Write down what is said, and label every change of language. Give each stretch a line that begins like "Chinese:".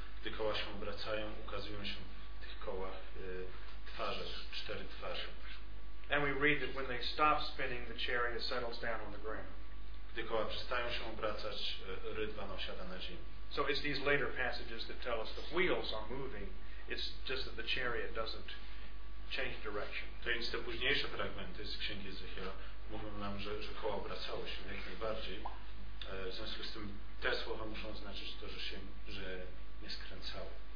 Polish: Gdy koła się obracają, ukazują się w tych kołach twarze, cztery twarze.
English: And we read that when they stop spinning, the chariot settles down on the ground.
Polish: Gdy koła przestają się obracać, rydwan osiada na ziemi.
English: So it's these later passages that tell us the wheels are moving. It's just that the chariot doesn't change direction.
Polish: Te inne późniejsze fragmenty z Księgi Ezechiela mówią nam, że koło obracało się jak najbardziej. W związku z tym te słowa muszą znaczyć to, że nie skręcało.